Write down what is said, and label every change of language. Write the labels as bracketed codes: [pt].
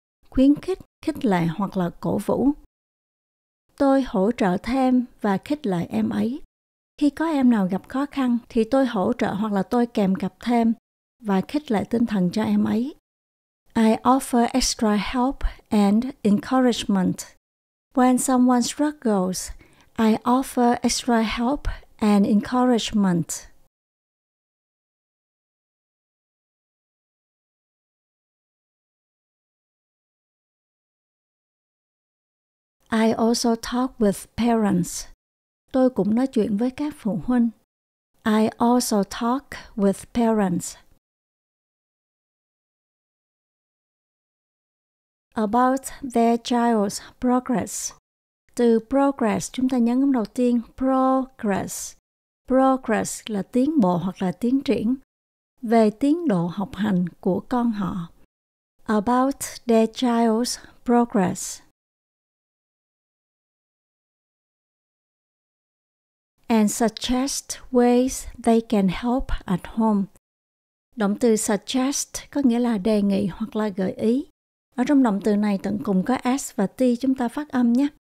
[vi] Khuyến khích, khích lệ hoặc là cổ vũ. Tôi hỗ trợ thêm và khích lệ em ấy. Khi có em nào gặp khó khăn thì tôi hỗ trợ hoặc là tôi kèm cặp thêm và khích lệ tinh thần cho em ấy. [en] I offer extra help and encouragement. When someone struggles, I offer extra help and encouragement. I also talk with parents. [vi] Tôi cũng nói chuyện với các phụ huynh. [en] I also talk with parents. About their child's progress. [vi] Từ progress, chúng ta nhấn âm đầu tiên, progress. Progress là tiến bộ hoặc là tiến triển. Về tiến độ học hành của con họ. [en] About their child's progress. And suggest ways they can help at home. [vi] Động từ suggest có nghĩa là đề nghị hoặc là gợi ý. Ở trong động từ này tận cùng có S và T, chúng ta phát âm nhé.